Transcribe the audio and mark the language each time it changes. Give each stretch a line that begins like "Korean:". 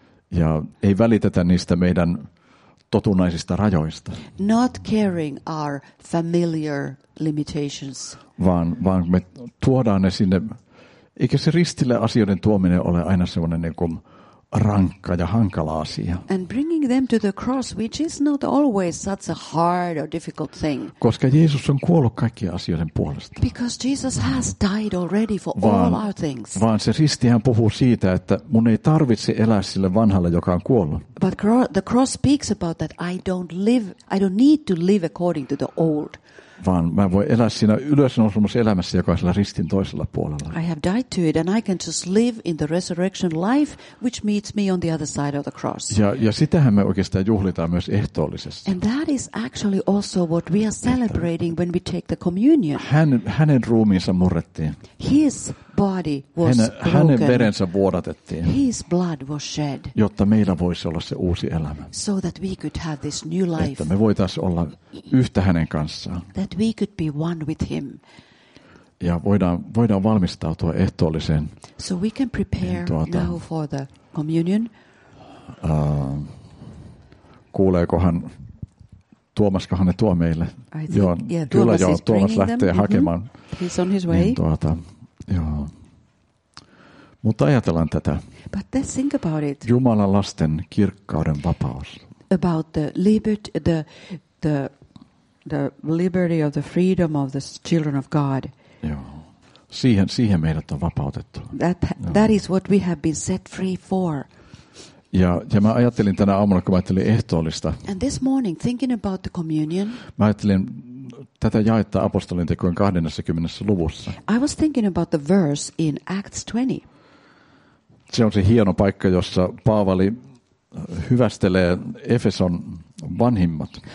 Finnish: Ja ei välitetä niistä meidän totunnaisista rajoista.
English: Not caring our familiar limitations.
Finnish: Vaan me tuodaan ne sinne. Eikä se ristille asioiden tuominen ole aina sellainen niin kuin rankka ja hankala asia.
English: And bringing them to the cross, which is not always such a hard or difficult thing.
Finnish: Koska Jeesus on kuollut kaikkien asioiden puolesta.
English: Because Jesus has died already for all our things.
Finnish: Vaan se risti hän puhuu siitä, että mun ei tarvitse elää sille vanhalle, joka on kuollut.
English: But the cross speaks about that I don't need to live according to the old.
Finnish: Vaan mä voin elää siinä ylösnousemassa elämässä, joka on siellä ristin toisella puolella.
English: I have died to it and I can just live in the resurrection life, which meets me on the other side of the cross.
Finnish: Ja sitähän me oikeastaan juhlitaan myös ehtoollisesti.
English: And that is actually also what we are celebrating when we take the communion.
Finnish: Hänen ruumiinsa murrettiin.
English: His body was broken.
Finnish: Hänen verensä vuodatettiin.
English: His blood was shed.
Finnish: Jotta meillä voisi olla se uusi elämä.
English: So that we could have this new life.
Finnish: Että me voitaisiin olla yhtä hänen kanssaan.
English: That we could be one with him.
Finnish: Ja voidaan valmistautua ehtoolliseen.
English: So we can prepare now for the communion.
Finnish: Kuuleekohan Tuomaskahan ne tuo meille. Tuomas lähtee hakemaan.
English: He's on his way.
Finnish: Niin, joo. Mutta ajatellaan tätä.
English: But think about it.
Finnish: Jumalan lasten kirkkauden vapaus.
English: About the liberty, the liberty of the freedom of the children of God.
Finnish: Joo. Siihen meidät on vapautettu.
English: That is what we have been set free for.
Finnish: Ja mä ajattelin tänä aamuna, kun mä ajattelin ehtoollista.
English: And this morning, thinking about the communion.
Finnish: Mä ajattelin tätä jaetta apostolien tekojen 20. luvussa.
English: I was thinking about the verse in Acts 20.
Finnish: Se on se hieno paikka, jossa Paavali hyvästelee Efeson vanhimmat.